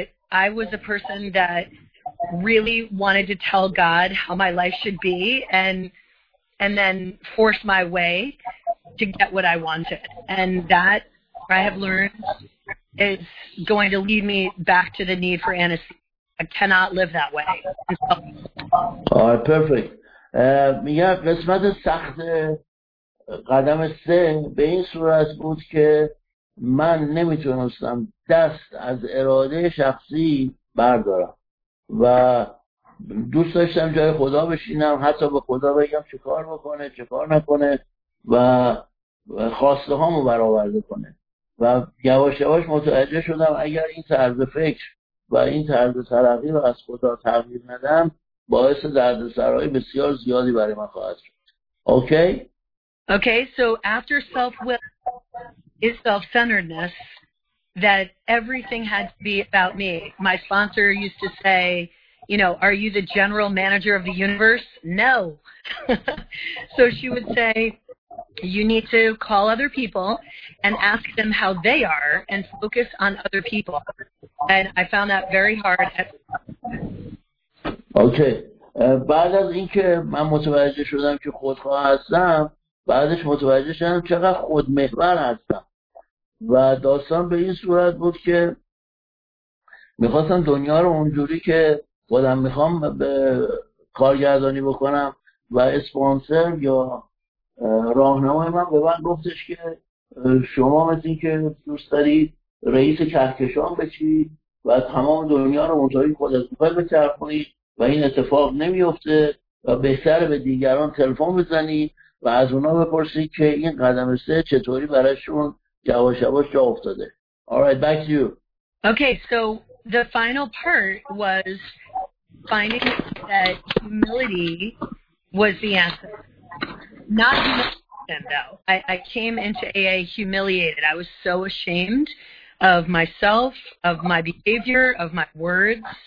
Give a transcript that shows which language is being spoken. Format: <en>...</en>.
<en>I was a person that really wanted to tell God how my life should be and then force my way to get what I wanted. And that, I have learned, is going to lead me back to the need for anesthesia. I cannot live that way. All right, perfect.</en> <fa>قسمت سخت قدم سه به این صورت بود که من نمیتونستم دست از اراده شخصی بردارم و دوست داشتم جای خدا بشینم، حتی به خدا بگم چه کار بکنه چه کار نکنه و خواسته هامو برآورده کنه. و یواش یواش متوجه شدم اگر این طرز فکر و این طرز تلقی رو از خدا تغییر ندم، باعث دردسرهای بسیار زیادی برای من خواهد شد.</fa> <en>Okay, so after self-will is self-centeredness, that everything had to be about me. My sponsor used to say, you know, are you the general manager of the universe? No. So she would say, you need to call other people and ask them how they are and focus on other people. And I found that very hard. Okay.</en> <fa>بعد از اینکه من متوجه شدم که خودخواه هستم، بعدش متوجه شدم چقدر خودمحور هستم. و داستان به این صورت بود که میخواستم دنیا رو اونجوری که خودم میخوام به کارگردانی بکنم و اسپانسر یا راهنمای من به من گفتش که شما مثل این که دوست داری رئیس کهکشان بشی و تمام دنیا رو اونجوری خودت میخوای بچرخونی و این اتفاق نمیفته و بهتر به دیگران تلفن بزنی و از اونا بپرسی که این قدم سه چطوری برایشون یواش یواش جا افتاده.</fa> <en>All right, back to you. Okay, so the final part was finding that humility was the answer. Not humiliation, though. I came into AA humiliated. I was so ashamed of myself, of my behavior, of my words.</en>